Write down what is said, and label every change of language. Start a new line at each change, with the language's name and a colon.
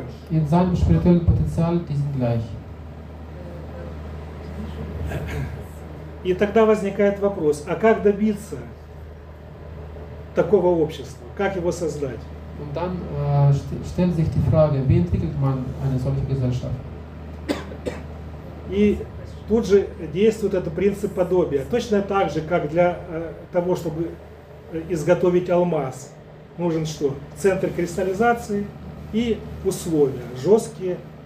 German: In seinem spirituellen Potenzial, die sind gleich.
Russian: И тогда возникает вопрос, а как добиться такого общества? Как его создать?
German: Und dann stellt sich die Frage, wie entwickelt man eine solche Gesellschaft?
Russian: И тут же действует этот принцип подобия. Точно так же, как для того, чтобы изготовить алмаз, нужен что? Центр кристаллизации. И условия жесткие